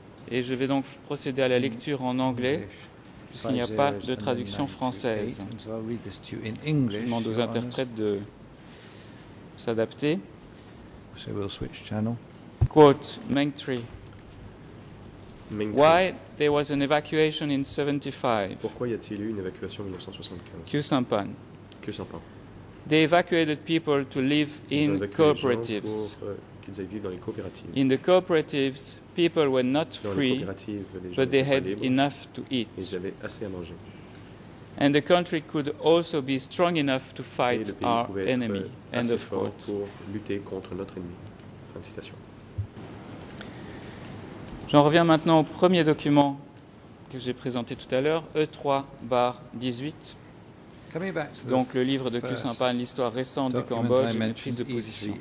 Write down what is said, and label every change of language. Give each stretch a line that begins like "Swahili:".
French: Et je vais donc procéder à la lecture en anglais, puisqu'il n'y a pas de traduction française. Je demande aux interprètes de s'adapter.
English: So we'll switch channel. Quote, Mengtri. Why there was an evacuation in 75?
French: Pourquoi y a-t-il eu une évacuation en 1975? Kyu Sampan. Kyu Sampan.
English: They evacuated people to live in cooperatives.
French: Ils ont évacué les gens pour qu'ils aient vécu dans les coopératives.
English: In the cooperatives, people were not free, but they had enough to eat.
French: Ils avaient assez à manger.
English: And the country could also be strong enough to fight our enemy. End of quote.
French: Pour lutter contre notre ennemi. Fin de citation. J'en reviens maintenant au premier document que j'ai présenté tout à l'heure, E3-18. Donc le livre de Kyu Sampan, l'histoire récente du Cambodge et une prise de position.